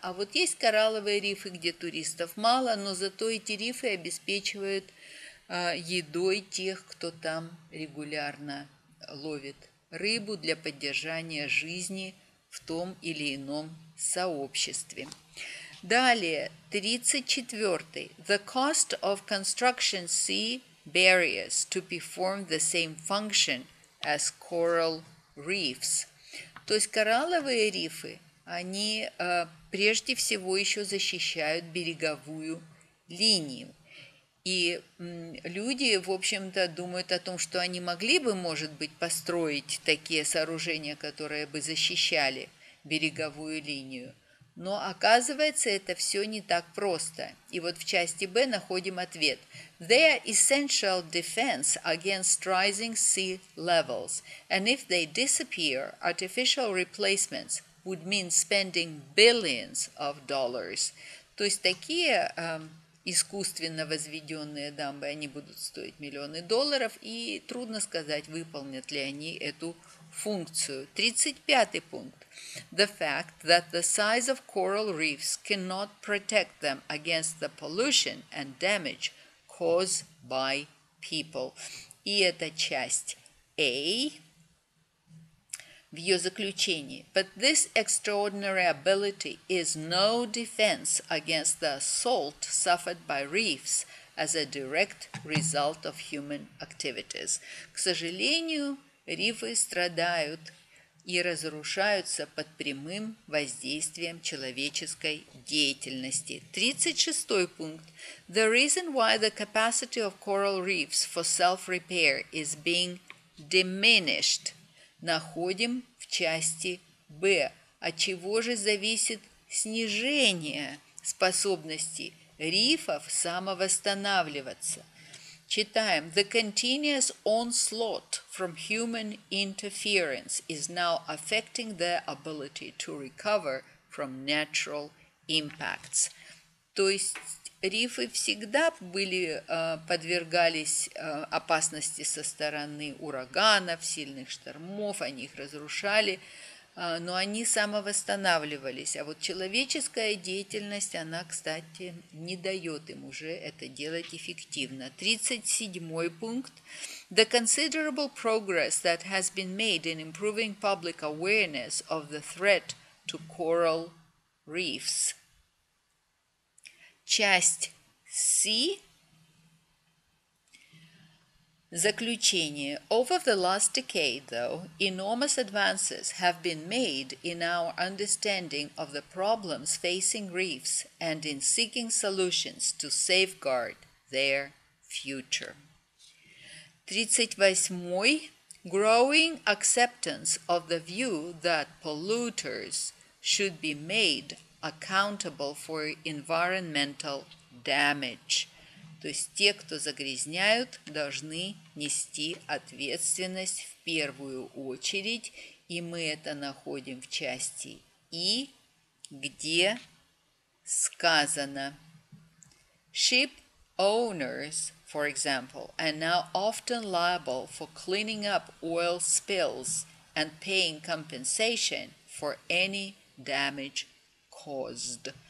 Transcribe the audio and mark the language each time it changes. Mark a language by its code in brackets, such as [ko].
[ru] А вот есть коралловые рифы, где туристов мало, но зато эти рифы обеспечивают едой тех, кто там регулярно ловит рыбу для поддержания жизни в том или ином сообществе. Далее, 34-й. [en] The cost of construction sea barriers to perform the same function as coral reefs. [ru] То есть коралловые рифы, они прежде всего еще защищают береговую линию. И люди, в общем-то, думают о том, что они могли бы, может быть, построить такие сооружения, которые бы защищали береговую линию. Но оказывается, это все не так просто. И вот в части Б находим ответ. [en] They are essential defense against rising sea levels. And if they disappear, artificial replacements would mean spending billions of dollars. [ru] То есть такие искусственно возведенные дамбы, они будут стоить миллионы долларов, и трудно сказать, выполнят ли они эту функцию. 35-й пункт. [en] The fact that the size of coral reefs cannot protect them against the pollution and damage caused by people. [ru] И это часть A в ее заключении. [en] But this extraordinary ability is no defense against the assault suffered by reefs as a direct result of human activities. [ru] К сожалению, рифы страдают и разрушаются под прямым воздействием человеческой деятельности. 36-й пункт. [en] The reason why the capacity of coral reefs for self-repair is being diminished. [ru] Находим в части Б. От чего же зависит снижение способности рифов самовосстанавливаться? Читаем. [en] The continuous onslaught from human interference is now affecting their ability to recover from natural impacts. [ru] То есть рифы всегда были, подвергались опасности со стороны ураганов, сильных штормов, они их разрушали, но они самовосстанавливались. А вот человеческая деятельность, она, кстати, не дает им уже это делать эффективно. 37-й пункт. [en] The considerable progress that has been made in improving public awareness of the threat to coral reefs. [ru] Часть C. Заключение. [en] Over the last decade, though, enormous advances have been made in our understanding of the problems facing reefs and in seeking solutions to safeguard their future. 38. Growing acceptance of the view that polluters should be made accountable for environmental damage. [ru] То есть те, кто загрязняют, должны нести ответственность в первую очередь. И мы это находим в части И, где сказано. [en] Ship owners, for example, are now often liable for cleaning up oil spills and paying compensation for any damage caused.